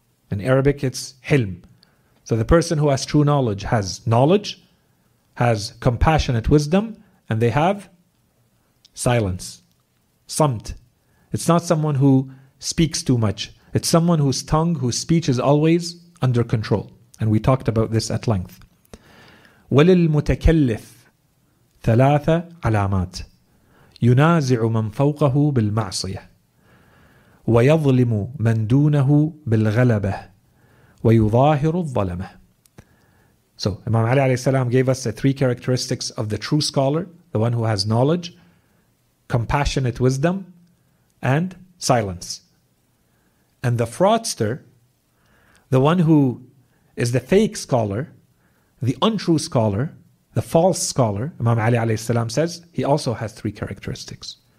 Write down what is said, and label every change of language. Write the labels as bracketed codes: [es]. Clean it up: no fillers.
[en] In Arabic, it's hilm. So the person who has true knowledge, has compassionate wisdom, and they have silence, samt. It's not someone who speaks too much. It's someone whose tongue, whose speech is always under control. And we talked about this at length. [ar] وللمتكلف ثلاثة علامات ينازع من فوقه بالمعصية ويظلم من دونه بالغلبة ويظاهر الظلمة. [en] So Imam Ali alayhi salam gave us the three characteristics of the true scholar, the one who has knowledge, compassionate wisdom, and silence. And the fraudster, the one who is the fake scholar, the untrue scholar, the false scholar, Imam Ali alayhi salam says, he also has three characteristics.